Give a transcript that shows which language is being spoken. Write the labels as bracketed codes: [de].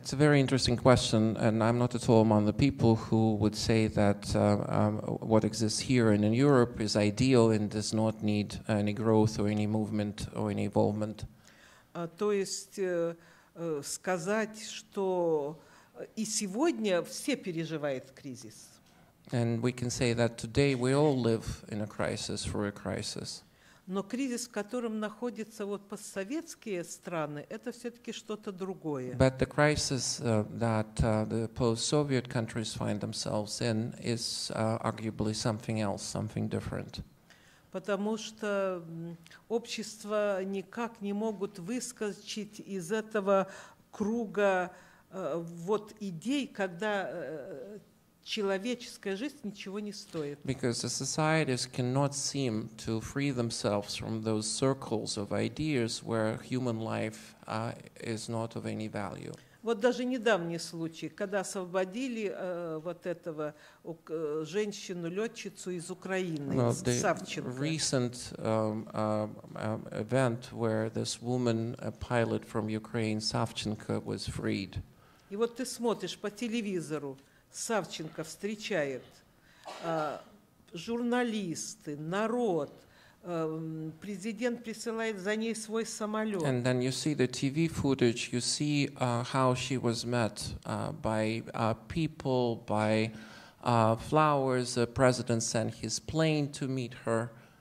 [en] It's a very interesting question, and I'm not at all among the people who would say that what exists here and in Europe is ideal and does not need any growth or any movement or any involvement. [ru] То есть сказать, что и сегодня все переживают кризис. [en] And we can say that today we all live in a crisis, for a crisis. [ru] Но кризис, в котором находятся вот постсоветские страны, это все-таки что-то другое. [en] But the crisis that the post-Soviet countries find themselves in is arguably something else, something different. [ru] Потому что общества никак не могут выскочить из этого круга вот идей, когда человеческая жизнь ничего не стоит. [en] Because the societies cannot seem to free themselves from those circles of ideas where human life is not of any value. [ru] Вот даже недавний случай, когда освободили вот этого женщину-летчицу из Украины, Савченко. [en] Recent event where this woman, a pilot from Ukraine, Савченко, was freed. [ru] И вот ты смотришь по телевизору, Савченко встречает журналисты, народ. Президент присылает за ней свой самолет. [en] And then you see the TV footage, you see how she was met by people, by flowers. The president sent his plane to meet her.